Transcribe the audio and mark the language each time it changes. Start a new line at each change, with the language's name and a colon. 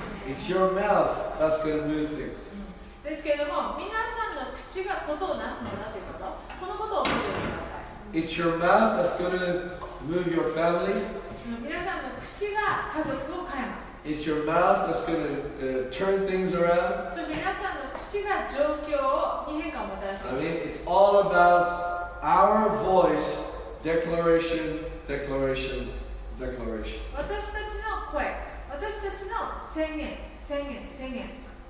English: It's your mouth that's going to move things.
Japanese: ですけれども、皆さんの口がことをなすのだということ、このことを覚えておいてください。
English: It's your mouth that's going to move your family.
Japanese: 皆さんの口が家族を変えます。
English: It's your mouth that's going to turn things around.
Japanese: そして皆さんの口が状況に変化をもたらします。
English: I mean, it's all about our voice, declaration, declaration, declaration.
Japanese: 私たちの声、私たちの宣言、宣言、宣言。